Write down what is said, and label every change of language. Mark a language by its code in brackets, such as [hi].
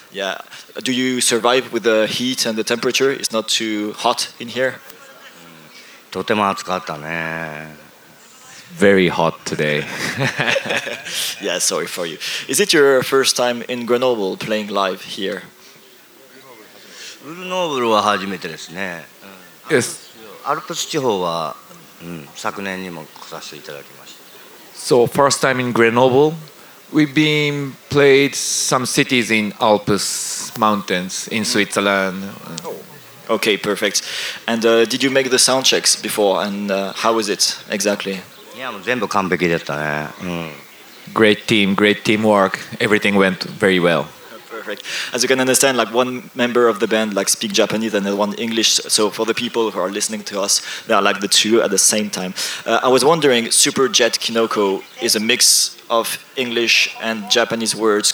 [en] Yeah, do you survive with the heat and the temperature? It's not too hot in here? [ja] とても暑かったね。 [en] Very hot today. Yeah, sorry for you. Is it your first time in Grenoble playing live here? [ja] Grenoble は初めてですね。 [en] Yes. [ja] アルプス地方は、昨年にも来させていただきました。 [en] So first time in Grenoble. We've been played some cities in Alps mountains in Switzerland. Oh. Okay, perfect. And did you make the sound checks before? And how was it exactly? [ja] いや、もう全部完璧だったね。 [en] Great team, great teamwork. Everything went very well. Yeah, Perfect. As you can understand, like one member of the band like speak Japanese and one English. So for the people who are listening to us, they are like the two at the same time. I was wondering, Super Jet Kinoko is a mix of English and Japanese words.